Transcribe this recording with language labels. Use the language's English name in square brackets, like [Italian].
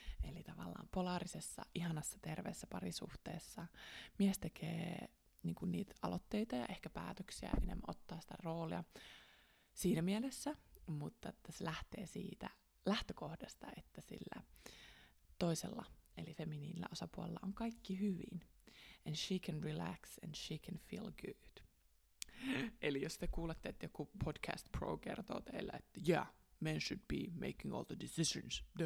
[Finnish] Eli tavallaan polaarisessa, ihanassa, terveessä parisuhteessa mies tekee niin kuin niitä aloitteita ja ehkä päätöksiä enemmän ottaa sitä roolia siinä mielessä, mutta että se lähtee siitä lähtökohdasta, että sillä toisella eli feminiinillä osapuolella, on kaikki hyvin. [English] And she can relax and she can feel good. [Finnish] Eli jos te kuulette, että joku podcast pro kertoo teille, että [English] yeah, men should be making all the decisions.